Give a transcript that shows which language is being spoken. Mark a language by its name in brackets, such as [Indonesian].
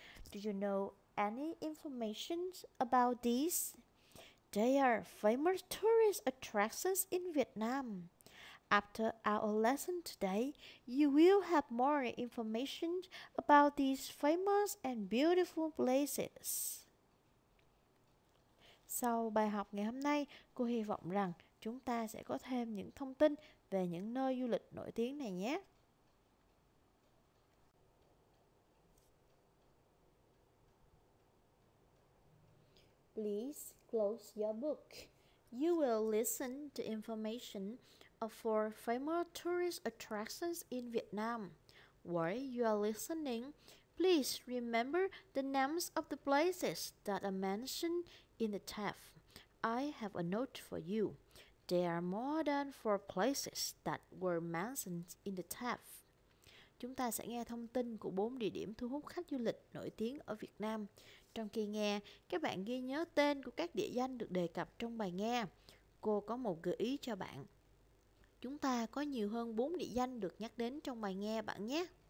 [English] Do you know any information about these? They are famous tourist attractions in Vietnam. After our lesson today, you will have more information about these famous and beautiful places. [Vietnamese] Sau bài học ngày hôm nay, cô hy vọng rằng chúng ta sẽ có thêm những thông tin về những nơi du lịch nổi tiếng này nhé. [English] Please close your book. You will listen to information of four famous tourist attractions in Vietnam. While you are listening, please remember the names of the places that are mentioned in the text. I have a note for you. There are more than four places that were mentioned in the text. [Vietnamese] Chúng ta sẽ nghe thông tin của bốn địa điểm thu hút khách du lịch nổi tiếng ở Việt Nam. Trong khi nghe, các bạn ghi nhớ tên của các địa danh được đề cập trong bài nghe. Cô có một gợi ý cho bạn. Chúng ta có nhiều hơn bốn địa danh được nhắc đến trong bài nghe bạn nhé.